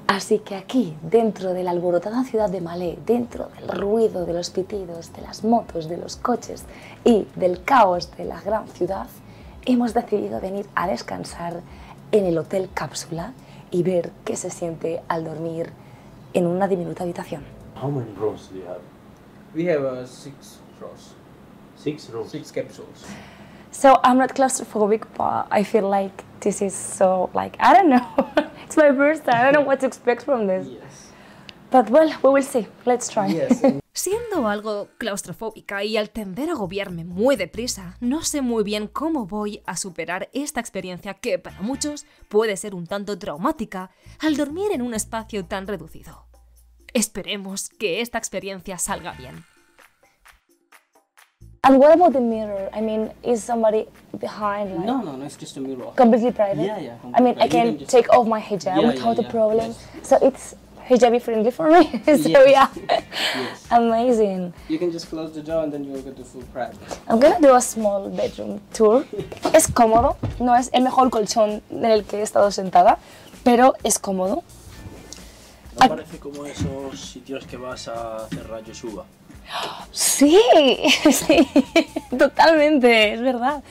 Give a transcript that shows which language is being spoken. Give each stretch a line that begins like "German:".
Spanish: Así que aquí, dentro de la alborotada ciudad de Malé, dentro del ruido de los pitidos, de las motos, de los coches y del caos de la gran ciudad, hemos decidido venir a descansar en el Hotel Cápsula y ver qué se siente al dormir en una diminuta habitación.
English: How many rooms do you have? We have 6 rooms. 6 rooms? 6 capsules. So I'm not claustrophobic, but I feel like this is so, like, I don't know. It's my first time. I don't know what to expect from this. Yes. But well, we will see. Let's try. Yes.
Spanish: Siendo algo claustrofóbica y al tender a agobiarme muy deprisa, no sé muy bien cómo voy a superar esta experiencia que para muchos puede ser un tanto traumática al dormir en un espacio tan reducido. Esperemos que esta experiencia salga bien.
English: And what about the mirror? I mean, is somebody behind? Like, no, it's just a mirror. Completely private? Yeah, completely. I mean, I can just take off my hijab without a problem. Yes. So it's hijabi friendly for me. So yes. Yeah, yes. Amazing. You can just close the door and then you'll get the full private. I'm gonna do a small bedroom tour.
Spanish: Es cómodo. No es el mejor colchón en el que he estado sentada, pero es cómodo. Parece como esos sitios que vas a hacer rayos UVA. Sí, sí, totalmente, es verdad.